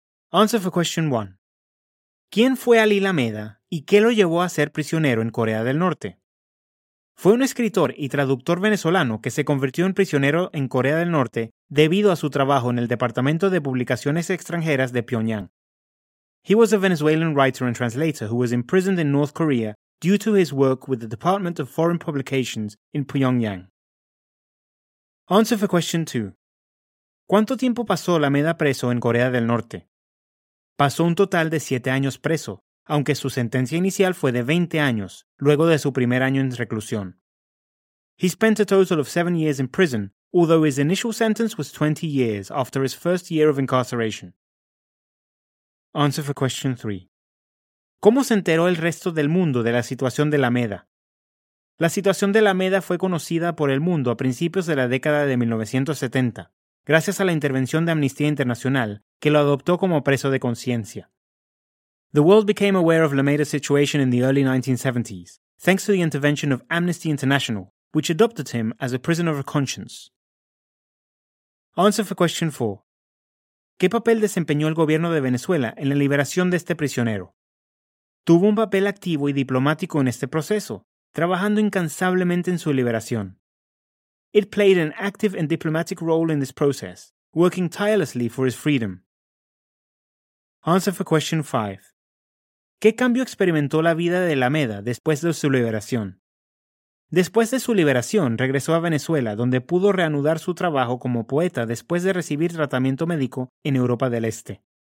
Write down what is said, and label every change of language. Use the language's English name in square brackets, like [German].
[English] Answer for question 1. [Spanish] ¿Quién fue Ali Lameda y qué lo llevó a ser prisionero en Corea del Norte? Fue un escritor y traductor venezolano que se convirtió en prisionero en Corea del Norte debido a su trabajo en el Departamento de Publicaciones Extranjeras de Pyongyang. [English] He was a Venezuelan writer and translator who was imprisoned in North Korea due to his work with the Department of Foreign Publications in Pyongyang. Answer for question 2. [Spanish] ¿Cuánto tiempo pasó Lameda preso en Corea del Norte? Pasó un total de 7 años preso, aunque su sentencia inicial fue de 20 años, luego de su primer año en reclusión. [English] He spent a total of 7 years in prison, although his initial sentence was 20 years after his first year of incarceration. Answer for question 3. [Spanish] ¿Cómo se enteró el resto del mundo de la situación de Lameda? La situación de Lameda fue conocida por el mundo a principios de la década de 1970. Gracias a la intervención de Amnistía Internacional, que lo adoptó como preso de conciencia. [English] The world became aware of Lameda's situation in the early 1970s, thanks to the intervention of Amnesty International, which adopted him as a prisoner of conscience. Answer for question 4. [Spanish] ¿Qué papel desempeñó el gobierno de Venezuela en la liberación de este prisionero? Tuvo un papel activo y diplomático en este proceso, trabajando incansablemente en su liberación. [English] It played an active and diplomatic role in this process, working tirelessly for his freedom. Answer for question 5. [Spanish] ¿Qué cambio experimentó la vida de Lameda después de su liberación? Después de su liberación, regresó a Venezuela, donde pudo reanudar su trabajo como poeta después de recibir tratamiento médico en Europa del Este.